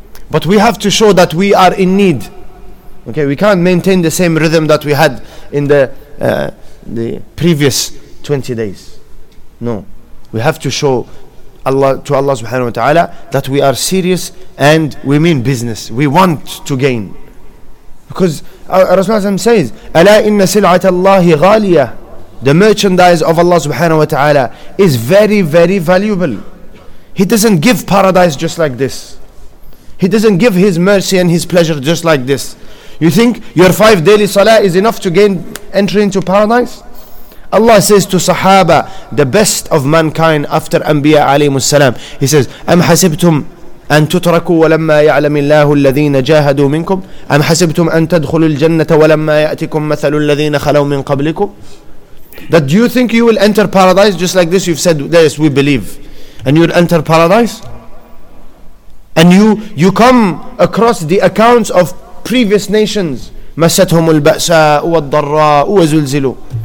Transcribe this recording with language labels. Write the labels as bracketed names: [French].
[English] But we have to show that we are in need. Okay, we can't maintain the same rhythm that we had in the previous 20 days. No. We have to show Allah to Allah subhanahu wa ta'ala that we are serious and we mean business. We want to gain. Because Rasulullah says, [Arabic] أَلَا إِنَّ سِلْعَةَ اللَّهِ غَالِيَةٌ. [English] The merchandise of Allah subhanahu wa ta'ala is very, very valuable. He doesn't give paradise just like this. He doesn't give his mercy and his pleasure just like this. You think your 5 daily salah is enough to gain entry into paradise? Allah says to Sahaba, the best of mankind after Anbiya alayhimus salam, He says, [Arabic] أَمْ حَسِبْتُمْ أَن تُتْرَكُوا وَلَمَّا يَعْلَمِ اللَّهُ الَّذِينَ جَاهَدُوا مِنْكُمْ أَمْ حَسِبْتُمْ أَن تَدْخُلُوا الْجَنَّةَ وَلَمَّا يَأْتِكُمْ مَثَلُ الَّذِينَ خَلَوْا مِنْ قَبْلِكُمْ. [English] That do you think you will enter paradise just like this? You've said, yes, we believe. And you'll enter paradise? And you come across the accounts of previous nations. [Arabic] مَسَّتْهُمُ الْبَأْسَاءُ وَالضَّرَّاءُ وَزُلْزِلُوا.